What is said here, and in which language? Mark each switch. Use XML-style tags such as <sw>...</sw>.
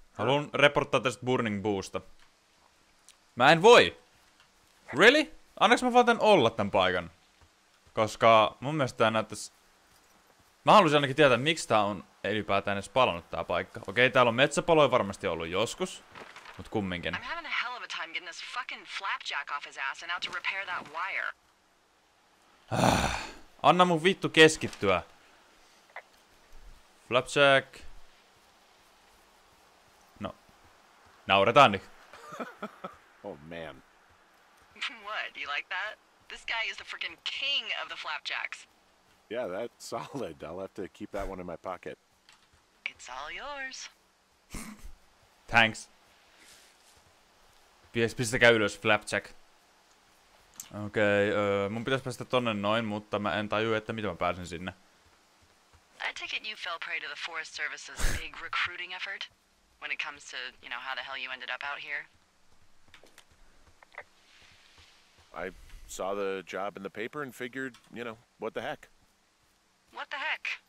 <fi>Haluan reporttaa tästä Burning Boosta. Mä en voi!</fi> <en>Really?</en> <fi>Annaks mä vaan tän olla tän paikan? Koska mun mielestä tää näyttäis... Mä haluaisin ainakin tietää, miksi tää on ylipäätään edes palannut tää paikka. Okei, täällä on metsäpaloja varmasti ollut joskus. Mut kumminkin.</fi> <en>I'm having a hell of a time getting this fucking flapjack off his ass and out to repair that wire.</en> <fi>Anna mun vittu keskittyä.</fi> <en>Flapjack.</en> <fi>No. Nauretaan nyt.</fi> <en>Oh man. What? Do you like that? This guy is the freaking king of the flapjacks. Yeah, that's solid. I'll have to keep that one in my pocket. It's all yours. Thanks.</en> <fi>Pistäkää ylös, flapjack. Okei, mun pitäisi päästä tonne noin, mutta mä en tajua, että miten mä pääsen sinne.</fi> <en>I take it you fell prey to the Forest Service's big recruiting effort when it comes to, you know, how the hell you ended up out here. I saw the job in the paper and figured, you know, what the heck? What the heck?</en>